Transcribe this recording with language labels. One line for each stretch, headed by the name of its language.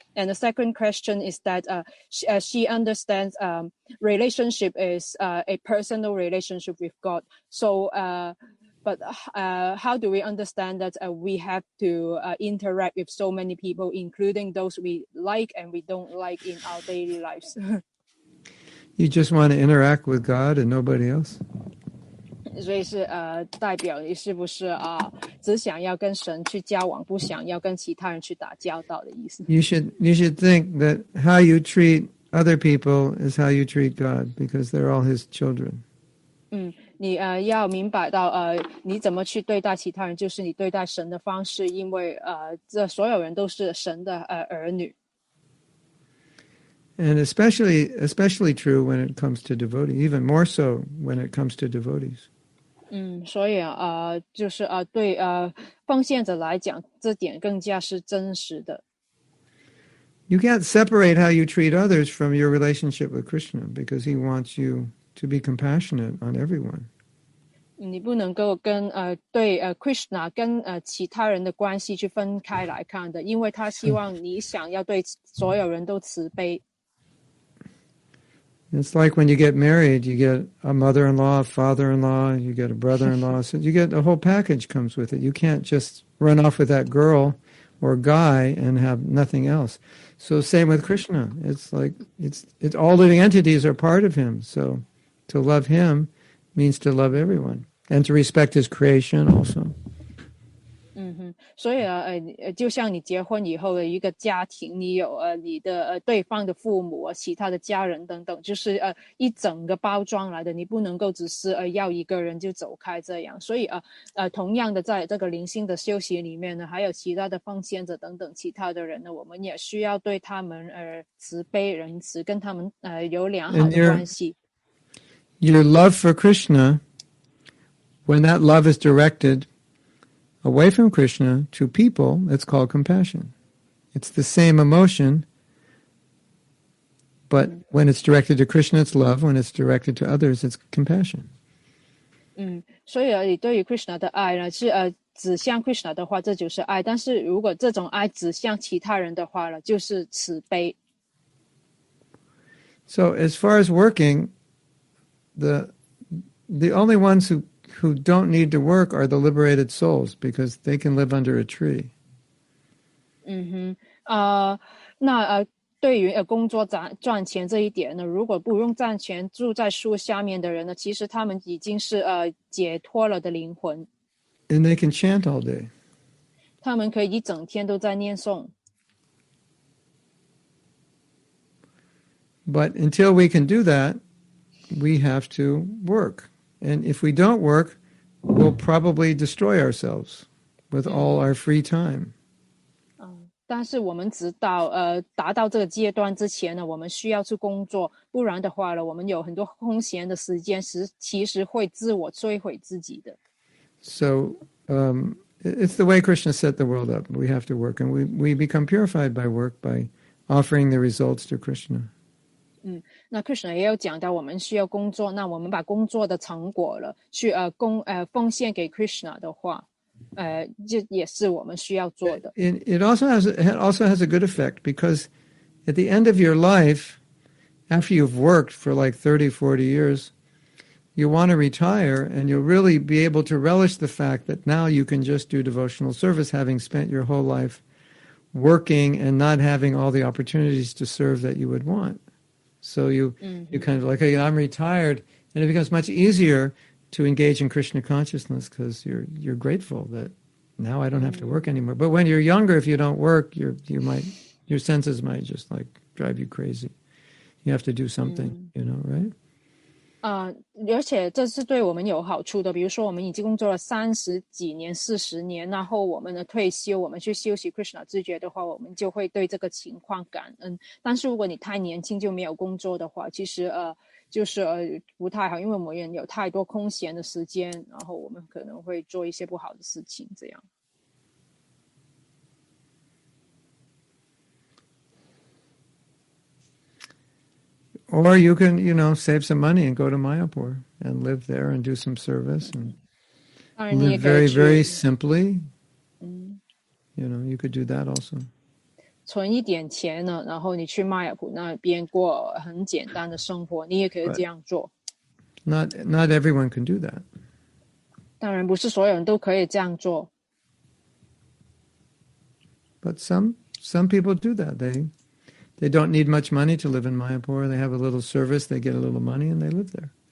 English: And the second question is that she understands relationship is a personal relationship with God. So. But how do we understand that we have to interact with so many people, including those we like and we don't like in our daily lives? You just want to interact with God and nobody else?
Chinese: 所以是代表你是不是啊只想要跟神去交往不想要跟其他人去打交道的意思。
English: You should think that how you treat other people is how you treat God because they're all his children.
Chinese: 你要明白到你怎么去对待其他人就是你对待神的方式因为这所有人都是神的儿女。
English: And especially true when it comes to devotees, even more so when it comes to devotees.
Chinese: 所以就是对奉献者来讲这点更加是真实的。
English: You can't separate how you treat others from your relationship with Krishna because he wants you to be compassionate on everyone.
Chinese: 你不能够跟对Krishna 跟其他人的关系去分开来看的因为他希望你想要对所有人都慈悲。
English: It's like when you get married, you get a mother-in-law, a father-in-law, you get a brother-in-law. So you get a whole package comes with it. You can't just run off with that girl or guy and have nothing else. So same with Krishna. It's like it's all living entities are part of him. So to love him means to love everyone and to respect his creation also.
Chinese: 所以就像你结婚以后的一个家庭你有你的对方的父母其他的家人等等就是一整个包装来的你不能够只是要一个人就走开这样所以同样的在这个灵性的修行里面呢还有其他的奉献者等等其他的人呢我们也需要对他们慈悲仁慈跟他们有良好的关系
English: Your love for Krishna when that love is directed away from Krishna to people, it's called compassion. It's the same emotion, but when it's directed to Krishna, it's love. When it's directed to others, it's compassion.
Chinese: 所以你对于 Krishna 的爱呢，是指向 Krishna 的话，这就是爱。但是如果这种爱指向其他人的话呢，就是慈悲。
English: So as far as working, the only ones who don't need to work are the liberated souls because they can live under a tree.
Chinese: 那对于工作赚钱这一点呢，如果不用赚钱住在树下面的人呢，其实他们已经是解脱了的灵魂。
English: And they can chant all day.
Chinese: 他们可以一整天都在念诵。
English: But until we can do that, we have to work. And if we don't work, we'll probably destroy ourselves with all our free time.
Chinese: 但是我们知道达到这个阶段之前呢我们需要去工作不然的话呢我们有很多空闲的时间是其实会自我摧毁自己的。
English: So, it's the way Krishna set the world up. We have to work and we become purified by work by offering the results to Krishna.
Chinese: 那 Krishna 也有讲到我们需要工作那我们把工作的成果了去奉献给 Krishna 的话就也是我们需要做的。
English: It also has a good effect because at the end of your life, after you've worked for like 30, 40 years, you want to retire and you'll really be able to relish the fact that now you can just do devotional service having spent your whole life working and not having all the opportunities to serve that you would want. So you kind of like, hey, I'm retired. And it becomes much easier to engage in Krishna consciousness because you're grateful that now I don't have to work anymore. But when you're younger, if you don't work, your senses might just like drive you crazy. You have to do something, you know, right?
Chinese: 而且这是对我们有好处的比如说我们已经工作了三十几年四十年然后我们的退休我们去休息 Krishna 自觉的话我们就会对这个情况感恩但是如果你太年轻就没有工作的话其实就是不太好因为我们有太多空闲的时间然后我们可能会做一些不好的事情这样
English: Or you can, you know, save some money and go to Mayapur and live there and do some service and live very, very simply. You know, you could do that also.
Chinese: 存一点钱呢，然后你去 Mayapur 那边过很简单的生活，你也可以这样做。
English: Not everyone can do that.
Chinese: 当然不是所有人都可以这样做。
English: But some people do that. They don't need much money to live in Mayapur. They have a little service, they get a little money, and they live there.